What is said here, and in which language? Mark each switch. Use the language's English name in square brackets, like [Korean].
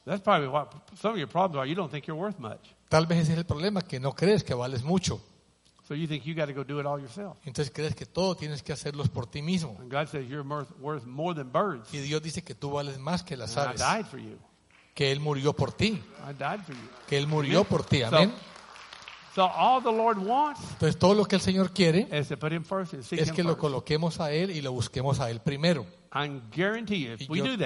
[English] That's probably what some of your problems are. You don't think you're worth much. [Spanish] Tal vez ese es el problema, que no crees que vales mucho. [English] So you think you got to go do it all yourself. [Spanish] Entonces crees que todo tienes que hacerlos por ti mismo. [English] And God says you're worth more than birds. [Spanish] Y Dios dice que tú vales más que las aves. [English] I died for you. [Spanish] Que él murió por ti. [English] I died for you. [Spanish] Que él murió por ti. Amén. [English] So all the Lord wants. [Spanish] Entonces todo lo que el Señor quiere [English] is to put him first, [Spanish] es que [English] him first. [Spanish] Lo coloquemos a él y lo busquemos a él primero. [English] I guarantee you, if we do that,